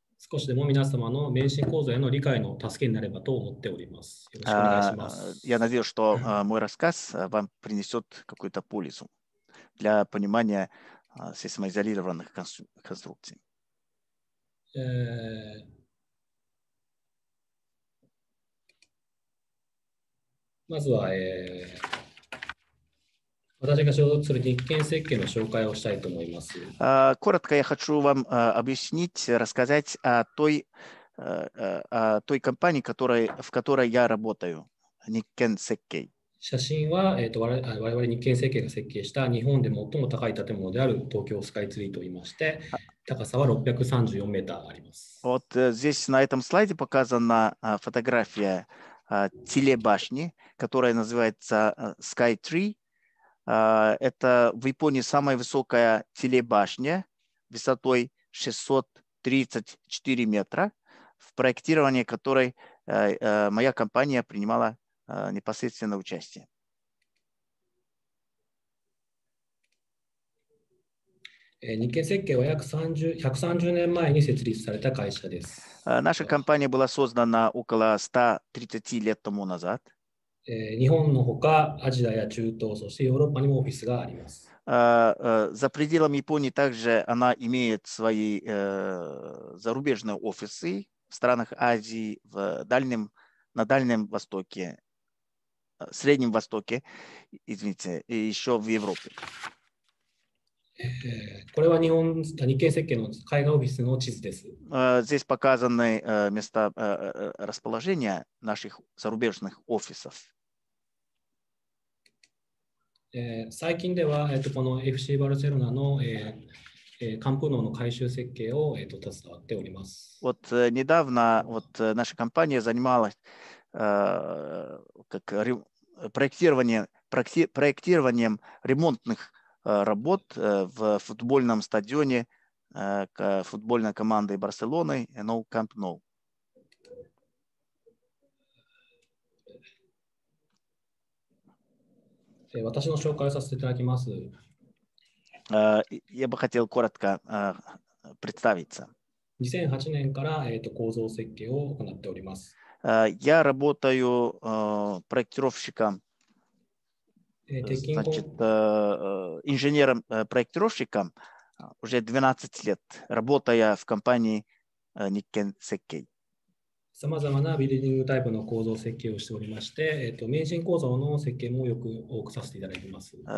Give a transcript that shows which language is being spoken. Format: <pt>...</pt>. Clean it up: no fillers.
<ja>少しでも皆様の免震構造への理解の助けになればと思っております。よろしくお願いしまやす。</ja> <ru>надеюсь, что мой рассказ вам принесет какую-то пользу для понимания сейсмоизолированных конструкций.</ru> <ja>まずは、私が所属する日建設計の紹介をしたいと思います。</ja> <ru>Коротко я хочу вам объяснить, рассказать о той компании, в которой я работаю, Nikken Sekkei.</ru> <ja>写真は、我々日建設計が設計した日本で最も高い建物である東京スカイツリーといいまして、高さは634メーターあります。</ja> <ru>Вот здесь на этом слайде показана фотография телебашни, которая называется Sky Tree. Это в Японии самая высокая телебашня высотой 634 метра, в проектировании которой моя компания принимала непосредственно участие.</ru> <ja>Nikken Sekkei は130年前に設立された会社です。</ja> <ru>Наша компания была создана около 130 лет тому назад.</ru> <ja>日本のほか、アジアや中東、そしてヨーロッパにもオフィスがあります。</ja> <ru>За пределами Японии также она имеет свои зарубежные офисы в странах Азии, на Дальнем Востоке, Среднем Востоке, извините, и еще в Европе.</ru> <ja>これは日建設計の海外オフィスの地図です。</ja> <ru>Здесь показаны места расположения наших зарубежных офисов.</ru> <ja>最近では、この FC バルセロナの、カンプノーの改修設計を、携わっております。</ja> <ru>Вот недавно вот наша компания занималась как проектированием ремонтных работ в футбольном стадионе футбольной команды Барселоны Nou Camp Nou.</ru> <ja>私の紹介をさせていただきます。</ja> <ru>Я бы хотел коротко представиться.</ru> <ja>2008年から、構造設計を行っております。</ja> <ru>Я работаю проектировщиком, значит, инженером-проектировщиком уже 12 лет, работая в компании Nikken Sekkei. さまざまなビルディングタイプの構造設計をしておりまして、免震構造の設計もよく多くさせていただいています。</ru>